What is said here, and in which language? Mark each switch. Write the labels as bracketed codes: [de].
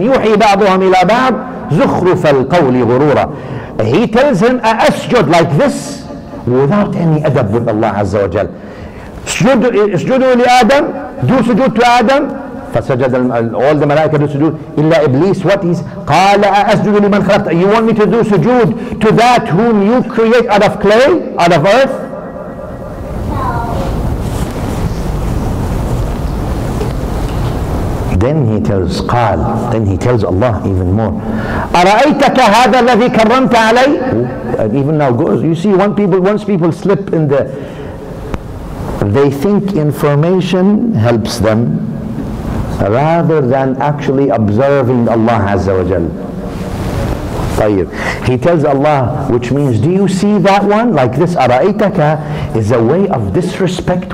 [ar] Yuhi ba'duham ila ba'd. Zukhruf al-qawli ghurura. [en] He tells him, asjud, like this, without any adab with Allah Azza wa Jal. Sujudu li Adam. Do sujud to Adam. فسجد all the malaika do sujood illa Iblis. What is [ar] قال أسجد لمن خلقت. [en] You want me to do sujood to that whom you create out of clay, out of earth? Then he tells Allah even more. [ar] أرأيتك هذا الذي كرمت علي. [en] Even now goes, you see, once people slip in the, they think information helps them rather than actually observing Allah Azza wa Jal. [ar] طيب. [en] He tells Allah, which means, do you see that one? Like this, أرأيتك is a way of disrespect.